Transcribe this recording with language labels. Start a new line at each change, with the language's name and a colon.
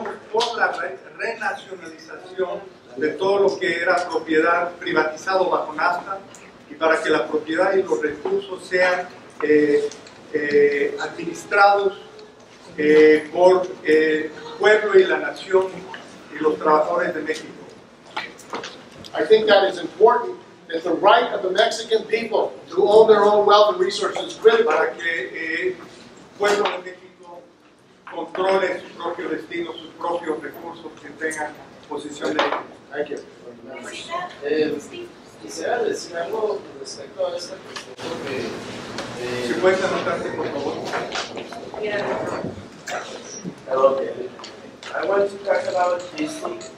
Spanish: Por la renacionalización de todo lo que era propiedad privatizado bajo NAFTA y para que la propiedad y los recursos sean administrados por el pueblo y la nación y los trabajadores de México.
English: I think that is important, that the right of the Mexican people to own their own wealth and resources is critical.
Spanish: Para que el pueblo de México controle su propio destino, sus propios recursos, que tenga posición de ellos.
English: Thank you.
Spanish: Quisiera decir algo respecto a esta cuestión que si puedes anotarte, por favor.
English: Okay. I want to talk about this thing.